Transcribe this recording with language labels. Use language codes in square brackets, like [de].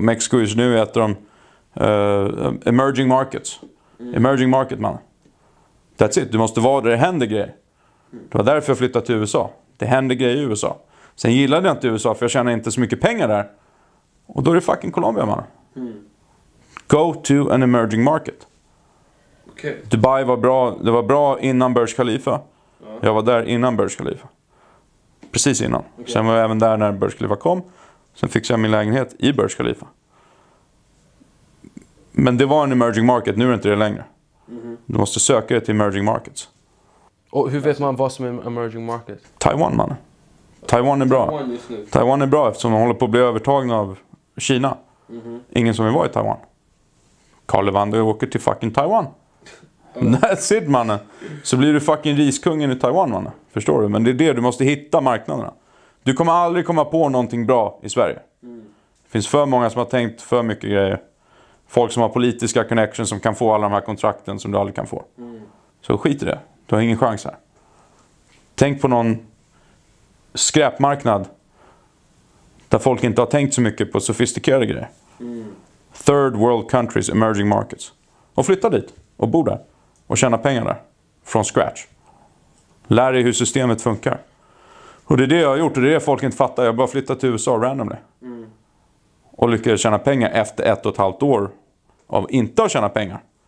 [sv] Mexiko just nu är ett av de emerging markets. Mm. [en] Emerging market, man. That's it. [sv] Du måste vara där det händer grejer. Det var därför jag flyttade till USA. Det händer grejer i USA. Sen gillade jag inte USA för jag tjänade inte så mycket pengar där. Och då är det fucking Colombia, man. Mm. [en] Go to an emerging market. Okay. [sv] Dubai var bra. Det var bra innan Burj Khalifa. Ja. Jag var där innan Burj Khalifa. Precis innan. Okay. Sen var jag även där när Burj Khalifa kom. Sen fixade jag min lägenhet i Burj Khalifa. Men det var en emerging market. Nu är det inte det längre. Mm-hmm. Du måste söka dig till emerging markets. Och hur vet man vad som är emerging markets? Taiwan, man. Taiwan är bra. Taiwan är bra eftersom de håller på att bli övertagna av Kina. Mm-hmm. Ingen som vill vara i Taiwan. Karl Levander åker till fucking Taiwan. [en] That's it, man. [sv] Så blir du fucking riskungen i Taiwan, man. Förstår du? Men det är det. Du måste hitta marknaderna. Du kommer aldrig komma på någonting bra i Sverige. Mm. Det finns för många som har tänkt för mycket grejer. folk som har politiska connections som kan få alla de här kontrakten som du aldrig kan få. Mm. Så skit i det. Du har ingen chans här. Tänk på någon skräpmarknad där folk inte har tänkt så mycket på sofistikerade grejer. Mm. [en] Third world countries, emerging markets. [sv] Och flytta dit och bo där. Och tjäna pengar där. Från scratch. Lär dig hur systemet funkar. Och det är det jag har gjort och det är det folk inte fattar. Jag har bara flyttat till USA randomly. Mm. Och lyckades tjäna pengar efter 1,5 år av inte att tjäna pengar.